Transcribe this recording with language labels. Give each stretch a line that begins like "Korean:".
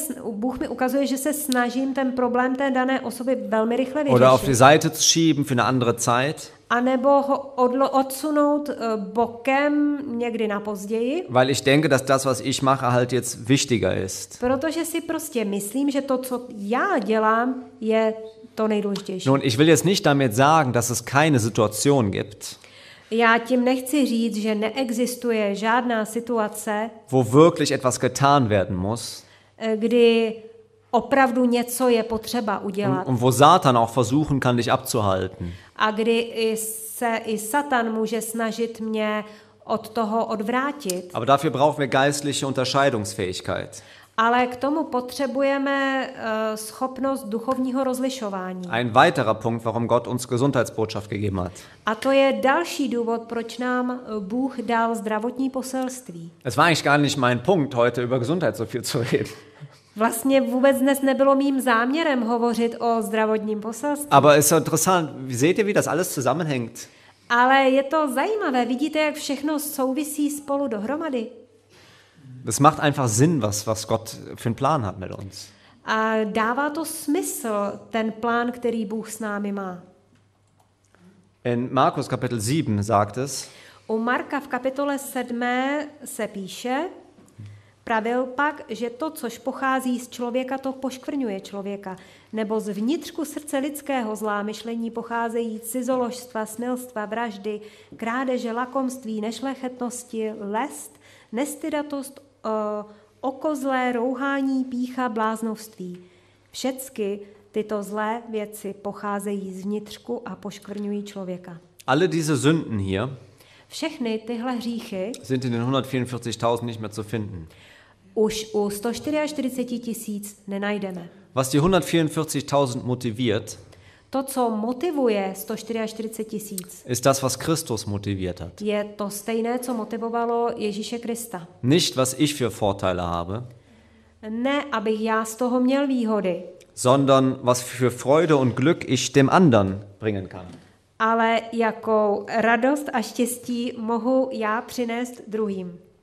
Czech: Bůh mi ukazuje, že se snažím ten problém té dané osoby velmi rychle vyřešit.
German: Oder auf die Seite zu schieben für eine andere Zeit.
Czech: A nebo ho odsunout bokem někdy na později.
German: Weil ich denke, dass das, was ich mache, halt jetzt wichtiger ist.
Czech: Protože si prostě myslím, že to, co já dělám, je to nejdůležitější.
German: Nun, ich will jetzt nicht damit sagen, dass es keine Situation gibt.
Czech: Já tím nechci říct, že neexistuje žádná situace,
German: wo wirklich etwas getan werden muss,
Czech: kdy opravdu něco je potřeba udělat.
German: Und wo Satan auch versuchen kann, dich abzuhalten.
Czech: A kdy se i Satan může snažit mě od toho odvrátit.
German: Aber dafür brauchen wir geistliche Unterscheidungsfähigkeit.
Czech: Ale k tomu potřebujeme schopnost duchovního rozlišování.
German: Ein weiterer Punkt, warum Gott uns Gesundheitsbotschaft gegeben hat.
Czech: A to je další důvod, proč nám Bůh dal zdravotní poselství.
German: Es war eigentlich gar nicht mein Punkt, heute über Gesundheit so viel zu reden.
Czech: Vlastně vůbec dnes nebylo mým záměrem hovořit o zdravotním poselství.
German: Aber es ist interessant, seht ihr, wie das alles zusammenhängt?
Czech: Ale je to zajímavé, vidíte, jak všechno souvisí spolu dohromady?
German: Das macht einfach Sinn, was Gott für einen Plan hat mit uns.
Czech: A dává to smysl, ten plán, který Bůh s námi má.
German: In Markus Kapitel 7 sagt es,
Czech: u Marka v kapitole 7 se píše, pravil pak, že to, což pochází z člověka, to poškvrňuje člověka. Nebo z vnitřku srdce lidského zlá myšlení pocházejí cizoložstva, smilstva, vraždy, krádeže, lakomství, nešlechetnosti, lest, nestydatost, okozlé, rouhání, pýcha, bláznovství. Všecky tyto zlé věci pocházejí z vnitřku a poškvrňují člověka.
German: Alle diese Sünden hier,
Czech: všechny tyhle hříchy
German: sind in den 144.000 nicht mehr zu finden.
Czech: Už u 144 tisíc nenajdeme.
German: Was die 144.000 motiviert,
Czech: to, co motivuje 144 tisíc,
German: ist das, was Christus motiviert hat.
Czech: Je to stejné, co motivovalo Ježíše Krista.
German: Nicht, was ich für Vorteile habe,
Czech: ne, abych já z toho měl výhody,
German: sondern was für Freude und Glück ich dem anderen bringen kann.
Czech: Ale jakou radost a štěstí mohu já přinést druhým.